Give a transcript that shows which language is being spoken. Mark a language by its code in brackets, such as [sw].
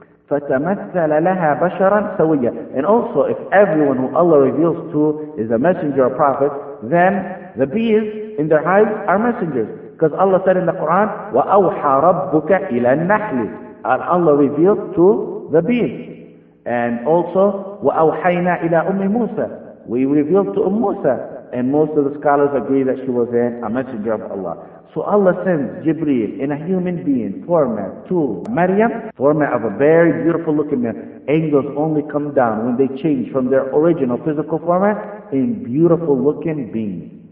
[ar] فَتَمَثَّلَ لَهَا بَشَرًا سَوِيًّا. [en] And also, if everyone who Allah reveals to is a messenger or prophet, then the bees in their hives are messengers. Because Allah said in the Quran, [ar] وَأَوْحَى رَبُّكَ إِلَى النَّحْلِ. [en] And Allah revealed to the bees. And also, [ar] وَأَوْحَيْنَا إِلَى أُمِّ مُوسَى. [en] We revealed to Umm Musa. And most of the scholars agree that she was a messenger of Allah. So Allah sends Jibreel in a human being format to Maryam, format of a very beautiful looking man. Angels only come down when they change from their original physical format in beautiful looking beings.